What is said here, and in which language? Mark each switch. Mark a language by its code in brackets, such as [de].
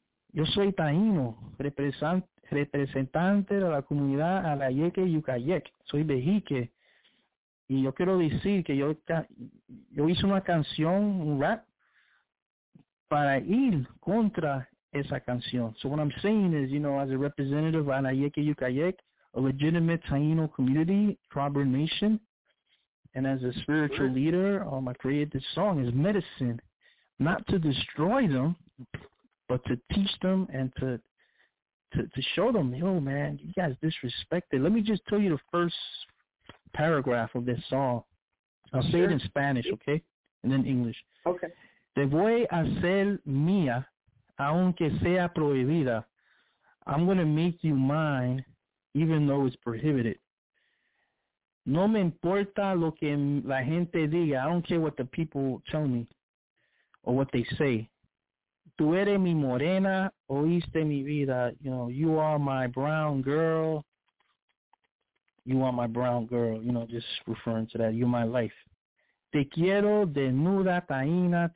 [es] Yo soy taíno, representante de la comunidad Alayeque Yucayec. Soy vejique. Y yo quiero decir que yo hice una canción, un rap, para ir contra esa canción. [en] So what I'm saying is, you know, as a representative of Alayeque Yucayec, a legitimate Taino community, tribal nation, and as a spiritual leader, I created this song as medicine, not to destroy them, but to teach them and to show them, yo, man, you guys disrespected. Let me just tell you the first paragraph of this song. I'll say it in Spanish, okay? And then English. Okay. [es] Te voy a hacer mía, aunque sea prohibida. [en] I'm going to make you mine, even though it's prohibited. [es] No me importa lo que la gente diga. [en] I don't care what the people tell me or what they say. [es] Tú eres mi morena, oíste mi vida. [en] You know, you are my brown girl. You are my brown girl, you know, just referring to that. You're my life. [es] Te quiero desnuda, Taina.